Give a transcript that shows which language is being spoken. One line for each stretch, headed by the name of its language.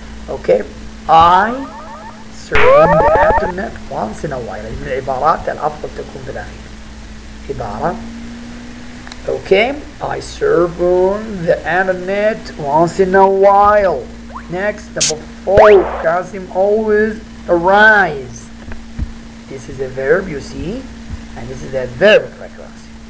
English: Okay, I surf on the internet once in a while.
Arabic: من العبارات الأفضل تكون بالأخير. عبارة.
English: Okay, I surf on the internet once in a while. Next, number 4, Kasim always arrives. This is a verb, you see, and this is the verb of frequency.